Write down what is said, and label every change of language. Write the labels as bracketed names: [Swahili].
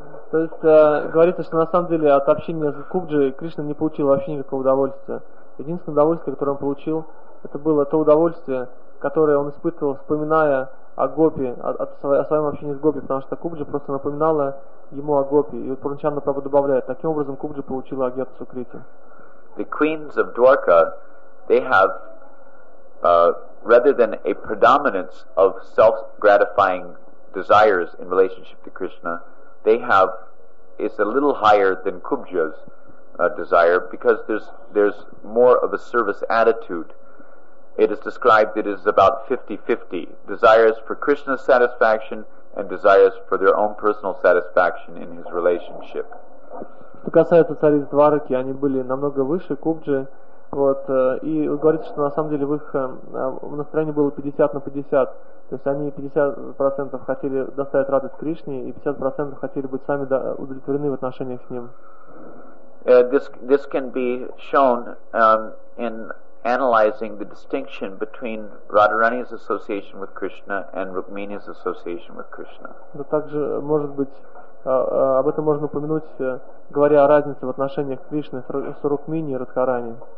[Russian] То есть говорится, что на самом деле от общения с Гупджи Кришна не получил вообще никакого удовольствия. Единственное удовольствие, которое он получил, это было то удовольствие, которое он испытывал, вспоминая о Гопи, о своем общении с Гопи, потому что Гупджи просто напоминала ему о Гопи. И вот Пурнчанда Прабху добавляет, таким образом Гупджи получила агьяту сукрити. [English] The queens of Dwarka, they have, rather than a predominance of self-gratifying desires in relationship to Krishna, they have, it's a little higher than Kubja's desire, because there's more of a service attitude. It is described that it is about 50-50, desires for Krishna's satisfaction and desires for their own personal satisfaction in his relationship. [Russian] Что касается цариц Двараки, они были намного выше Кубджи, вот, и говорится, что на самом деле в их настроении было 50-50. То есть они 50% хотели доставить радость Кришне, и 50% хотели быть сами удовлетворены в отношениях с Ним. [English] This can be shown in analyzing the distinction between Radharani's association with Krishna and Rukmini's association with Krishna. [Russian] Но также, может быть, об этом можно упомянуть, говоря о разнице в отношениях Кришны с Рукмини и Радхарани.